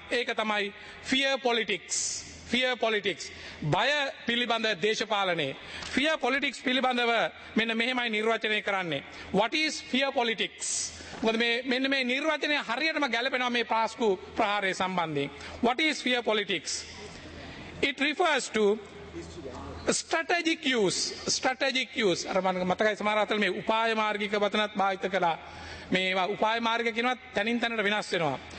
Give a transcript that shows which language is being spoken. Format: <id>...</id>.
<si>ඒක තමයි fear politics. Fear politics, බය පිළිබඳ දේශපාලනේ. Fear politics පිළිබඳව මෙන්න මෙහෙමයි නිර්වචනය කරන්නේ.</si> <en>What is fear politics?</en> <si>මොකද මේ මෙන්න මේ නිර්වචනය හරියටම ගැලපෙනවා මේ පාස්කු ප්‍රහාරය සම්බන්ධයෙන්.</si> <en>What is fear politics? It refers to strategic use. Strategic use.</en> <si>අර මම මතකයි සමහර අතල මේ උපාය මාර්ගික වචනත් භාවිත කළා. මේවා උපාය මාර්ග කියනවා තැනින් තැනට වෙනස් වෙනවා.</si>